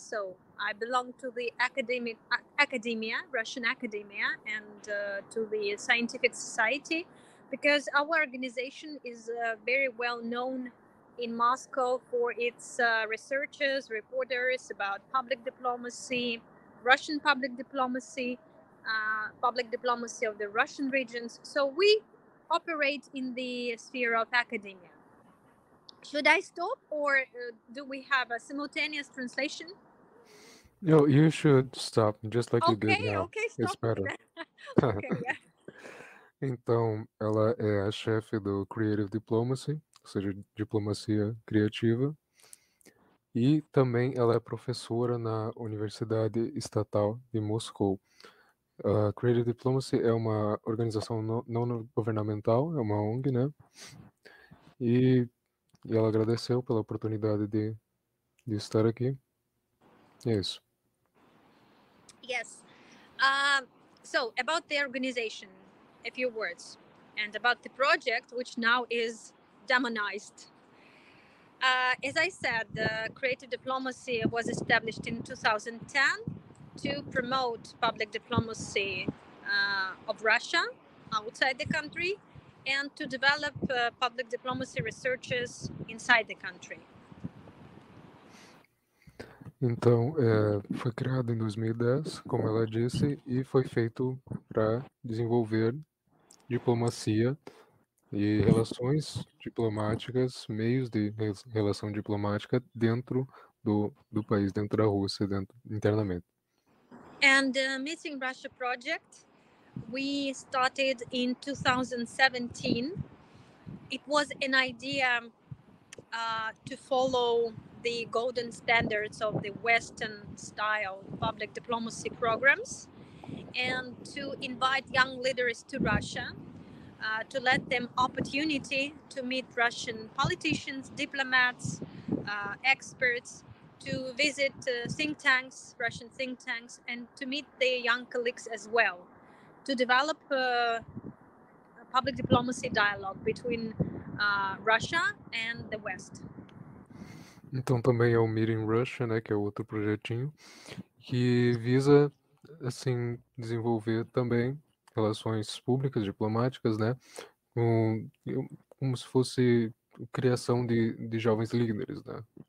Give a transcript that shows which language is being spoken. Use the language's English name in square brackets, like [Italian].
[English] So I belong to the academia, Russian academia, and to the scientific society, because our organization is very well known in Moscow for its researchers, reporters about public diplomacy, Russian public diplomacy, public diplomacy of the Russian regions. So we operate in the sphere of academia. Should I stop, or do we have a simultaneous translation? No, you should stop, just like you did now. Okay, stop. It's better. Okay, yeah. [Portuguese] Então, ela é a chefe do Creative Diplomacy, ou seja, diplomacia criativa, e também ela é professora na Universidade Estatal de Moscou. Creative Diplomacy é uma organização não-governamental, é uma ONG, né? E ela agradeceu pela oportunidade de estar aqui. É isso. [English] Yes. So, about the organization, a few words. And about the project, which now is demonized. As I said, the Creative Diplomacy was established in 2010. To promote public diplomacy of Russia outside the country and to develop public diplomacy researchers inside the country. [Portuguese] Então, foi criado em 2010, como ela disse, e foi feito para desenvolver diplomacia e relações diplomáticas, meios de relação diplomática dentro do país, dentro da Rússia, dentro internamente. [English] And the Meeting Russia project, we started in 2017. It was an idea to follow the golden standards of the Western style public diplomacy programs and to invite young leaders to Russia, to let them opportunity to meet Russian politicians, diplomats, experts, to visit think tanks, Russian think tanks, and to meet their young colleagues as well, to develop a public diplomacy dialogue between Russia and the West. [Portuguese] Então também é o Meeting Russia, né, que é outro projetinho, que visa assim desenvolver também relações públicas, diplomáticas, né, como se fosse criação de jovens líderes, né?